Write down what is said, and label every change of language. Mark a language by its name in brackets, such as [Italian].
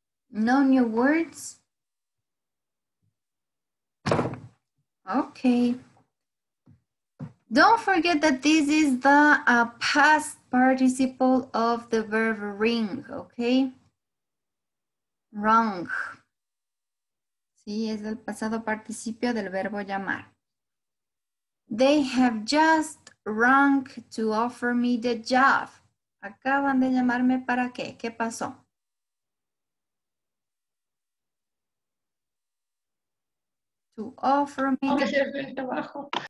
[English] No new words? Okay. Don't forget that this is the past participle of the verb ring, okay? Rung. [Spanish] Sí, es el pasado participio del verbo llamar. [English] They have just rung to offer me the job. [Spanish] Acaban de llamarme para qué? ¿Qué pasó? [English] To offer me the trabajo.